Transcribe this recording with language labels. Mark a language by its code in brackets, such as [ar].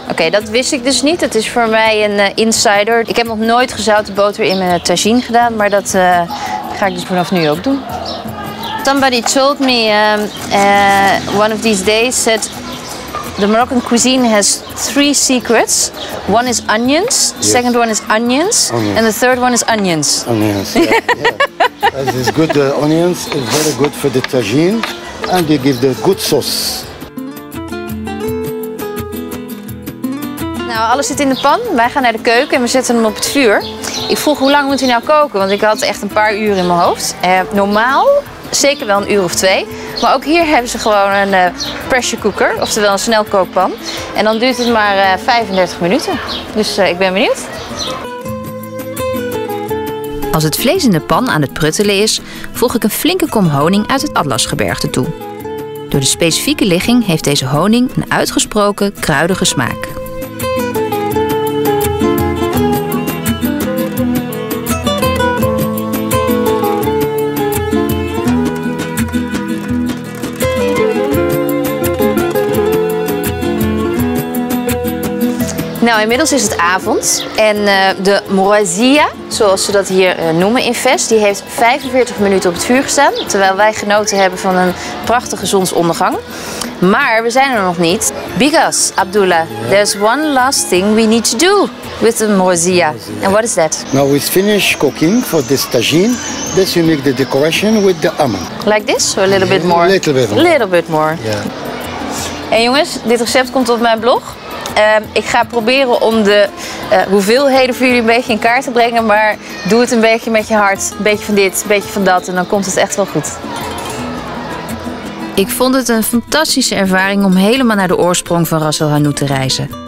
[nl] Okay, dat wist ik dus niet. Dat is voor mij een insider. Ik heb nog nooit gezouten boter in mijn tagine gedaan, maar dat ga ik dus vanaf nu ook doen. [en] Somebody told me one of these days said the Moroccan cuisine has three secrets. One is onions, yes. Second one is onions, and the third one is onions. Onions, yeah. As it's good, the onions is very good for the tagine, and they give the good sauce. [nl] Nou, alles zit in de pan. Wij gaan naar de keuken en we zetten hem op het vuur. Ik vroeg hoe lang moet hij nou koken, want ik had echt een paar uur in mijn hoofd. Normaal, zeker wel een uur of twee. Maar ook hier hebben ze gewoon een pressure cooker, oftewel een snelkookpan. En dan duurt het maar 35 minuten. Dus ik ben benieuwd. Als het vlees in de pan aan het pruttelen is, voeg ik een flinke kom honing uit het Atlasgebergte toe. Door de specifieke ligging heeft deze honing een uitgesproken kruidige smaak. Nou, inmiddels is het avond en de moerazia, zoals ze dat hier noemen in Fez, die heeft 45 minuten op het vuur gestaan, terwijl wij genoten hebben van een prachtige zonsondergang. Maar we zijn er nog niet. [en] Bigas, Abdullah, there's one last thing we need to do with the moerazia. And what is that? Now we finish cooking for this tagine. This you make the decoration with the amma. Like this or a little bit more? A little bit more. A little bit more. Yeah. [nl] En jongens, dit recept komt op mijn blog. Ik ga proberen om de hoeveelheden voor jullie een beetje in kaart te brengen. Maar doe het een beetje met je hart. Een beetje van dit, een beetje van dat. En dan komt het echt wel goed. Ik vond het een fantastische ervaring om helemaal naar de oorsprong van ras el hanout te reizen.